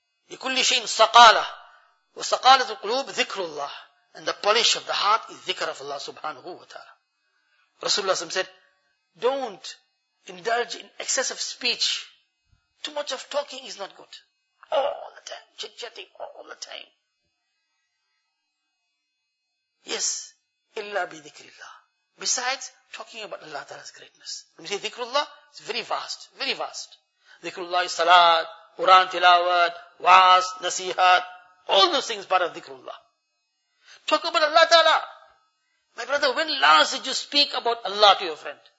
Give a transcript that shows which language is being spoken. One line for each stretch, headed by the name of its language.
Arabic: لِكُلِّ شَيْءٍ سَقَالَةٌ وَسَقَالَةُ الْقُلُوبِ ذِكْرُ اللَّهِ.
English: And the polish of the heart is dhikr of Allah subhanahu wa ta'ala. Rasulullah said, don't indulge in excessive speech. Too much of talking is not good. All the time, chit-chatting all the time. Yes,
Arabic: إِلَّا بِذِكْرِ اللَّهِ.
English: Besides, talking about Allah Ta'ala's greatness. When you say dhikrullah, it's very vast, very vast. Dhikrullah is salat, Quran tilawat, waaz, nasihat, all those things part of dhikrullah. Talk about Allah Ta'ala. My brother, when last did you speak about Allah to your friend?